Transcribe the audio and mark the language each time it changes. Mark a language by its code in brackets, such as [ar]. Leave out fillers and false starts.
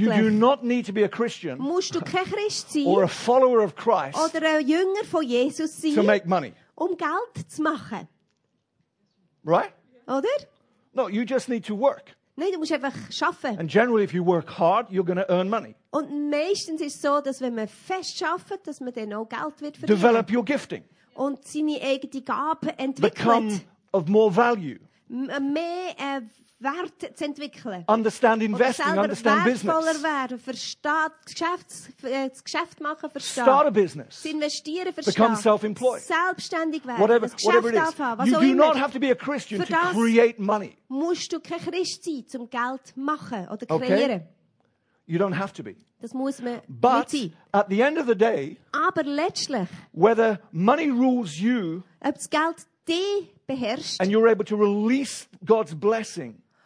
[en] you do not need to be a Christian, [de] musst du kein Christ sein, [en] or a follower of Christ, [de] oder ein Jünger von Jesus sein, [en] to make money. [de] Um Geld zu machen. [en] Right? [de] Oder? [en] No, you just need to work. [de] Nein, du musst einfach schaffen. [en] And generally, if you work hard, you're going to earn money. [de] Und meistens ist es so, dass wenn man fest schafft, dass man dann auch Geld wird verdienen. [en] Develop your gifting. [de] Und seine eigene Gabe entwickelt. [en] Become of more value. [de] Mehr Wert zu entwickeln. [en] Understand investing, understand business. [de] Oder selber wertvoller werden. Das Geschäft machen, verstehen. [en] Start a business. [de] Das Investieren, verstehen. [en] Become self-employed. [de] Selbstständig werden. Whatever, [en] whatever it is. Anfangen, you [de] immer. [en] Do not have to be a Christian to create money. [de] Musst du kein Christ sein, um Geld machen oder kreieren. [en] Okay. You don't have to be. [de] Das muss man [en] but [de] sein. [en] At the end of the day, [de] aber letztlich, [en] whether money rules you, [de] ob das Geld dich beherrscht, [en] and you're able to release God's blessing,